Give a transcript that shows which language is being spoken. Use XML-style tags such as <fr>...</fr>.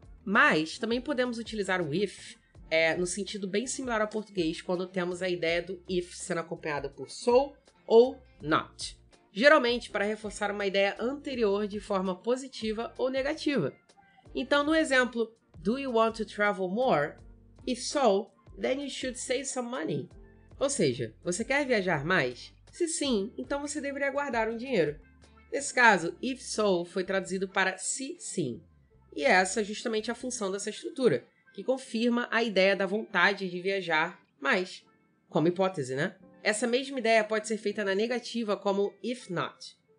<pt>Mas também podemos utilizar o if no sentido bem similar ao português quando temos a ideia do if sendo acompanhada por so ou not. Geralmente, para reforçar uma ideia anterior de forma positiva ou negativa. Então, no exemplo,</pt> <en>do you want to travel more? If so, then you should save some money.</en> <pt>Ou seja, você quer viajar mais? Se sim, então você deveria guardar um dinheiro. Nesse caso, if so foi traduzido para se sim. E essa é justamente a função dessa estrutura, que confirma a ideia da vontade de viajar mais. Como hipótese, né? Essa mesma ideia pode ser feita na negativa como if not.</pt>